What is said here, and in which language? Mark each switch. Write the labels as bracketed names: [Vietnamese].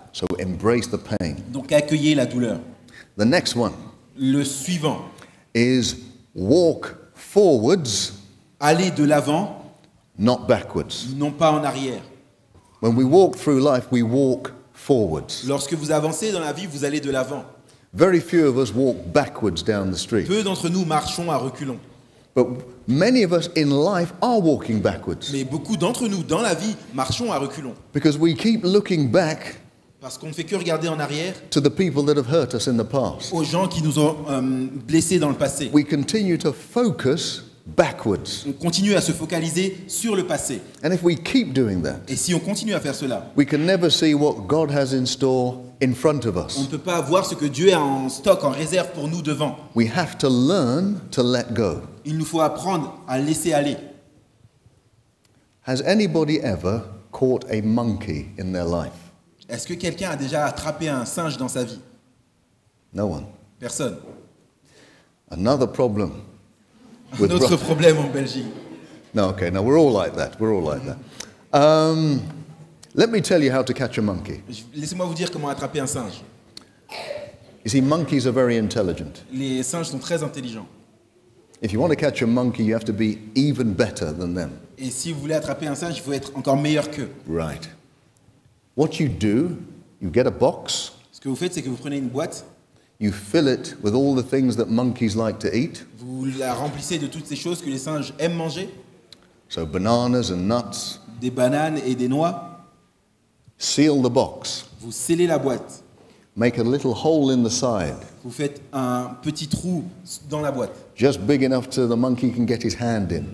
[English] So embrace the pain. [French] Donc accueillez la douleur. [English] The next one. [French] Le suivant. [English] Is walk forwards. [French] Aller de l'avant. [English] Not backwards. [French] Non pas en arrière. [English] When we walk through life, we walk forwards. [French] Lorsque vous avancez dans la vie, vous allez de l'avant. [English] Very few of us walk backwards down the street. [French] Peu d'entre nous marchons à reculons. [English] But many of us in life are walking backwards. [French] Mais beaucoup d'entre nous dans la vie marchons à reculons. [English] Because we keep looking back. [French] Parce qu'on ne fait que regarder en arrière. [English] To the people that have hurt us in the past. [French] Aux gens qui nous ont blessés dans le passé. [English] We continue to focus backwards. [French] On continue à se focaliser sur le passé. [English] And if we keep doing that. [French] Et si on continue à faire cela. [English] We can never see what God has in store in front of us. [French] On ne peut pas voir ce que Dieu a en stock, en réserve pour nous devant. [English] We have to learn to let go. [French] Il nous faut apprendre à laisser aller. [English] Has anybody ever caught a monkey in their life? [French] Est-ce que quelqu'un a déjà attrapé un singe dans sa vie? [English] No one. [French] Personne. [English] Another problem. [French] Notre problème en Belgique. [English] No, okay, no, we're all like that. We're all like that. Let me tell you how to catch a monkey. [French] Laissez-moi vous dire comment attraper un singe. [English] You see, monkeys are very intelligent. [French] Les singes sont très intelligents. [English] If you want to catch a monkey, you have to be even better than them. [French] Et si vous voulez attraper un singe, il faut être encore meilleur qu'eux. [English] Right. What you do, you get a box. [French] Ce que vous faites, c'est que vous prenez une boîte. [English] You fill it with all the things that monkeys like to eat. [French] Vous la remplissez de toutes ces choses que les singes aiment manger. [English] So bananas and nuts. [French] Des bananes et des noix. [English] Seal the box. [French] Vous scellez la boîte. [English] Make a little hole in the side. [French] Vous faites un petit trou dans la boîte. [English] Just big enough so the monkey can get his hand in.